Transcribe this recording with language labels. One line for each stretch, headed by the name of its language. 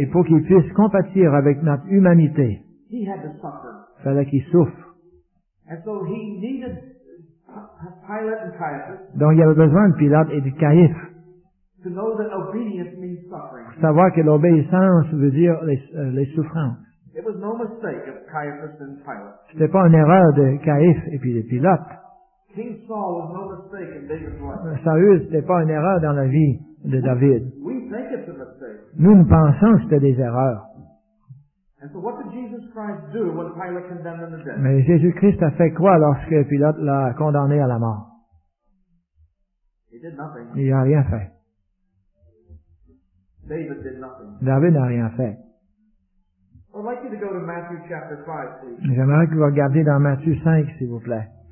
French: Et pour qu'il puisse compatir avec notre humanité,
English: he had to suffer.
French: Il fallait qu'il souffre.
English: And so he needed Pilate and Caiaphas.
French: Donc il avait besoin de Pilate et de Caïphe.
English: To know that obedience means suffering.
French: Pour savoir que l'obéissance veut dire les souffrances.
English: It was no mistake of Caiaphas and Pilate.
French: C'était pas une erreur de Caïphe et puis de Pilate.
English: King Saul was no mistake in David's life.
French: Saül, c'était pas une erreur dans la vie de David.
English: We think it's a mistake.
French: Nous pensons que c'était des erreurs.
English: And so what did Jesus Christ do when Pilate condemned him to death?
French: Mais Jésus-Christ a fait quoi lorsque Pilate l'a condamné à la mort?
English: He did nothing.
French: Il n'a rien fait.
English: David did nothing.
French: David n'a rien fait.
English: I'd like you to go to Matthew chapter 5, please.
French: J'aimerais que vous regardiez dans Matthieu 5, s'il vous plaît.